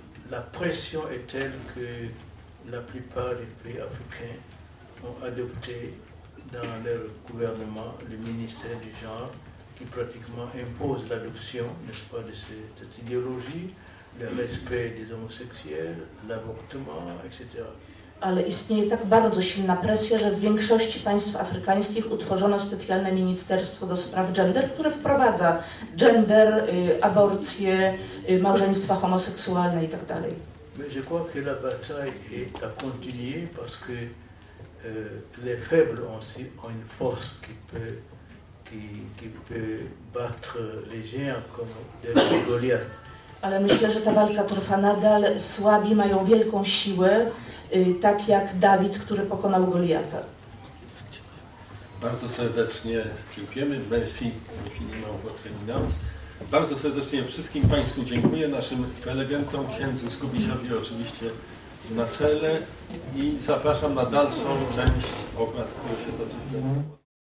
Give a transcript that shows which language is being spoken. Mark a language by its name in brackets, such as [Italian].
[French] La pression est telle que la plupart des pays africains ont adopté dans leur gouvernement le ministère du genre qui pratiquement impose l'adoption, n'est-ce pas, de cette idéologie, le respect des homosexuels, l'avortement, etc. [Polish] Ale istnieje tak bardzo silna presja, że w większości państw afrykańskich utworzono specjalne ministerstwo do spraw gender, które wprowadza gender, aborcje, małżeństwa homoseksualne i tak dalej. [French] Je crois que la bataille est à continuer parce que les faibles ont une force qui peut battre les géants comme David Goliath. [Polish] Ale myślę, że ta walka trwa nadal. Słabi mają wielką siłę, tak jak Dawid, który pokonał Goliata. Bardzo serdecznie dziękujemy. [French] Merci infiniment votre éminence. [Polish] Bardzo serdecznie wszystkim Państwu dziękuję, naszym prelegentom, księdzu Skubisiowi oczywiście na czele i zapraszam na dalszą część obrad, które się toczy.